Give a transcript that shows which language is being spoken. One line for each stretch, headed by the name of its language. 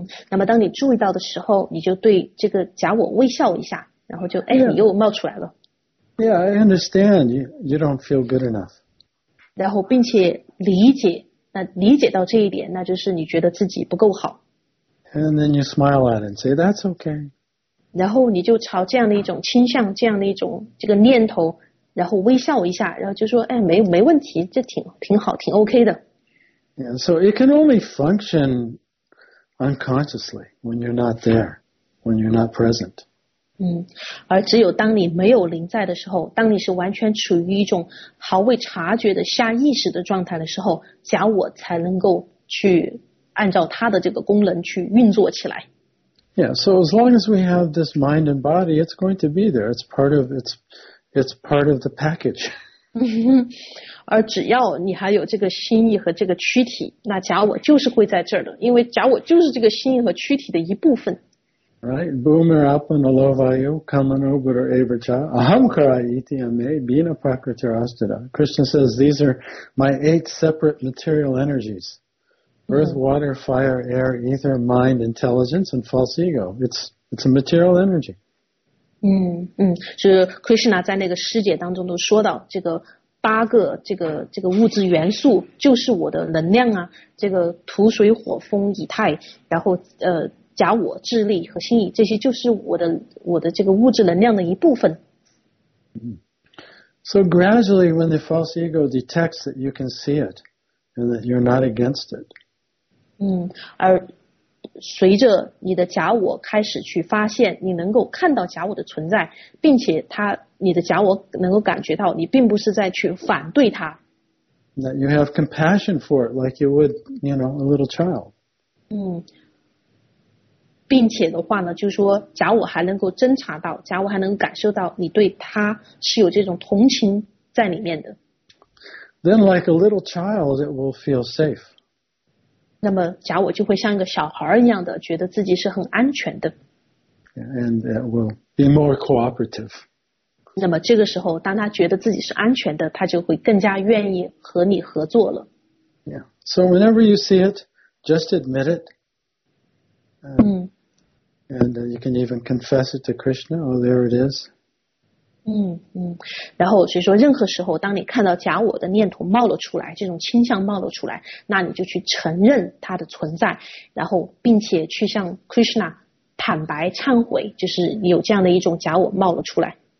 Chinese: 那么当你注意到的时候，你就对这个假我微笑一下。然后就你又冒出来了。
English: Yeah, I understand. You don't feel good enough.
Chinese: 然后并且理解到这一点，那就是你觉得自己不够好。
English: And then you smile at it and say that's okay.
Chinese: 然后你就朝这样的一种倾向，这样的一种这个念头，然后微笑一下，然后就说没问题，这挺好，挺 OK 的。
English: Yeah, so it can only function unconsciously when you're not there, when you're not present.
Chinese: 而只有当你没有临在的时候，当你是完全处于一种毫未察觉的下意识的状态的时候，假我才能够去按照它的这个功能去运作起来。
English: Yeah, so as long as we have this mind and body, it's going to be there. It's part of the package.
Chinese: 而只要你还有这个心意和这个躯体，那假我就是会在这儿的，因为假我就是这个心意和躯体的一部分。
Sanskrit: Right, Bhumir apan alovayu kamano buddha avarcha ahamkara iti ame bina prakritir astada.
English: Krishna says these are my eight separate material energies. Earth, water, fire, air, ether, mind, intelligence, and false ego. It's a material energy.
Chinese: 就是 Krishna 在那个师姐当中都说到这个八个这个物质元素就是我的能量啊，这个土水火风以太，然后假我、智力和心意，这些就是我的这个物质能量的一部分。
English: So gradually, when the false ego detects that you can see it and that you're not against it,
Chinese: 而随着你的假我开始去发现，你能够看到假我的存在，并且他你的假我能够感觉到你并不是在去反对他。
English: That you have compassion for it, like you would, you know, a little child.
Chinese: 嗯，并且的话呢，就是说，假我还能够侦查到，假我还能感受到你对他是有这种同情在里面的。
English: Then, like a little child, it will feel safe.
Chinese: 那么，假我就会像一个小孩一样的，觉得自己是很安全的。
English: And it will be more cooperative.
Chinese: 那么这个时候，当他觉得自己是安全的，他就会更加愿意和你合作了。
English: Yeah. So whenever you see it, just admit it. And you can even confess it to Krishna. Oh, there it is.
Chinese: 然后所以说，任何时候当你看到假我的念头冒了出来，这种倾向冒了出来，那你就去承认它的存在，然后并且去向 Krishna 坦白忏悔，就是有这样的一种假我冒了出来。